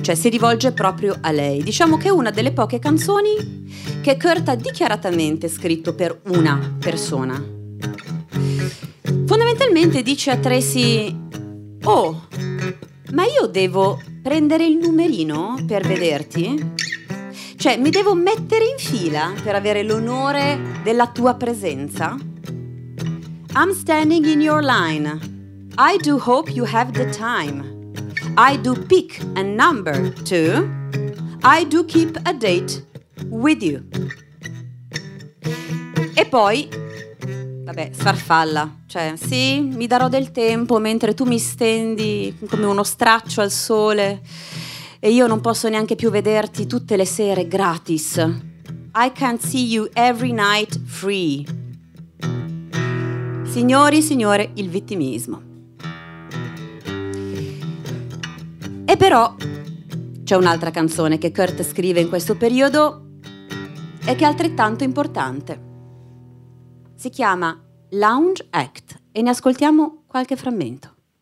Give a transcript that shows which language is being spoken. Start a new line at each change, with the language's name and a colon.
Italian: Cioè, si rivolge proprio a lei. Diciamo che è una delle poche canzoni che Kurt ha dichiaratamente scritto per una persona. Fondamentalmente dice a Tracy: oh, ma io devo prendere il numerino per vederti? Cioè, mi devo mettere in fila per avere l'onore della tua presenza?
English: I'm standing in your line. I do hope you have the time. I do pick a number too. I do keep a date with you.
Italian: E poi, vabbè, sfarfalla. Cioè, sì, mi darò del tempo mentre tu mi stendi come uno straccio al sole e io non posso neanche più vederti tutte le sere gratis.
English: I can't see you every night free.
Italian: Signori, signore, il vittimismo. E però c'è un'altra canzone che Kurt scrive in questo periodo e che è altrettanto importante. Si chiama Lounge Act e ne ascoltiamo qualche frammento.